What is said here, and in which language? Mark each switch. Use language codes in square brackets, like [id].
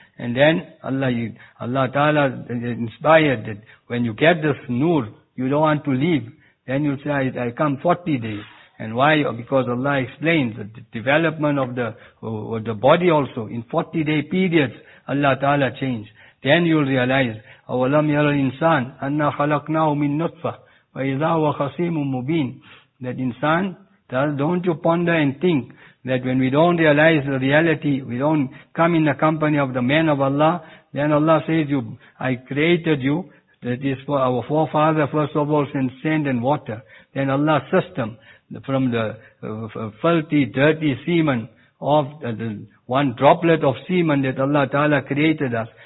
[en] And then Allah Ta'ala inspired that when you get this nur, you don't want to leave. Then you say, I come 40 days. And why? Because Allah explains that the development of the body also in 40 day periods, Allah Ta'ala changed. Then you'll realize, [ar] أَوَلَمْ يَرَ insan أَنَّا خَلَقْنَاهُ مِن نُطْفَةٍ وَإِذَا هُوَ خَصِيمٌ مُبِينٌ. [en] That insan, don't you ponder and think that when we don't realize the reality, we don't come in the company of the men of Allah, then Allah says, I created you, that is for our forefather, first of all, sent sand and water. Then Allah system from the filthy, dirty semen of the one droplet of semen that Allah Ta'ala created us.